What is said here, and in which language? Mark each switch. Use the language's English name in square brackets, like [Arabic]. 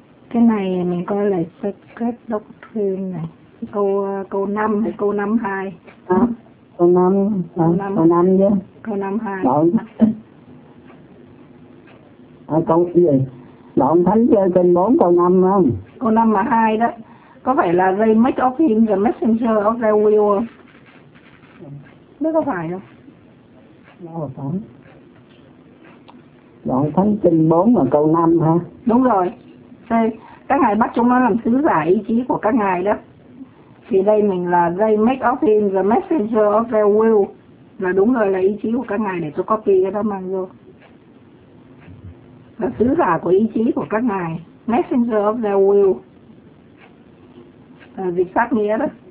[Vietnamese] Cái này mình coi lại Sacred Doctrine này. Câu 5 hay câu 5 2? À, câu 5, à, câu 5 chứ. Câu 5 2. Đoạn. À, câu gì? Đoạn thánh chơi kênh 4 câu 5 không? Câu 5 mà 2 đó. Có phải là [English] They make of him the messenger of their will [Vietnamese] không? Đấy có phải không? Đoạn thánh kênh 4 mà câu 5 hả? Đúng rồi. Các ngài bắt chúng nó làm sứ giả ý chí của các ngài đó. Thì đây mình là [English] They make of him the messenger of their will. [Vietnamese] Là đúng rồi, là ý chí của các ngài, để tôi copy cái đó mang vô. Là sứ giả của ý chí của các ngài, [English] messenger of their will, [Vietnamese] là dịch sát nghĩa đó.